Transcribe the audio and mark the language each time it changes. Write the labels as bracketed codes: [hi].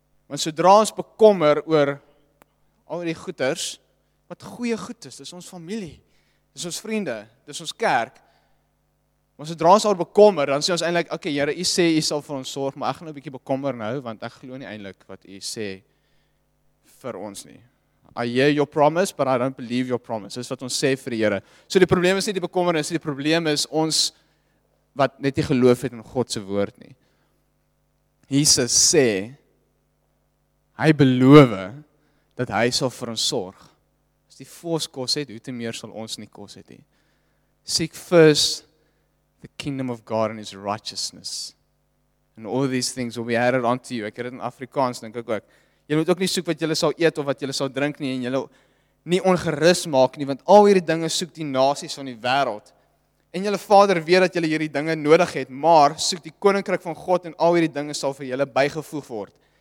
[af] Want sodra ons bekommer oor al die goeders, wat goeie goed is, dit is ons familie, dit is ons vriende, dit is ons kerk, maar sodra ons al bekommer, dan sê ons eindelijk, oké, okay, Here, u sê, u sal vir ons sorg, maar ek gaan nou 'n bietjie bekommer nou, want ek glo nie eindelijk wat u sê vir ons nie. [en] I hear your promise, but I don't believe your promise. [af] Dis wat ons sê vir die Here. So die probleem is nie die bekommernis, die probleem is ons wat net nie geloof het in God se woord nie. Jesus sê, hy beloof dat hy sal vir ons sorg. As die vos kos het, hoe te meer sal ons nie kos het nie. [en] Seek first the kingdom of God and his righteousness. And all these things will be added unto you. [af] Ek het dit in Afrikaans, denk ek ook. Jy moet ook nie soek wat jy sal eet of wat jy sal drink nie, en jy nie ongerus maak nie, want al hierdie dinge soek die nasies van die wêreld. En jylle Vader weet dat jylle hierdie dinge nodig het, maar soek die koninkryk van God en al hierdie dinge sal vir jylle bygevoeg word.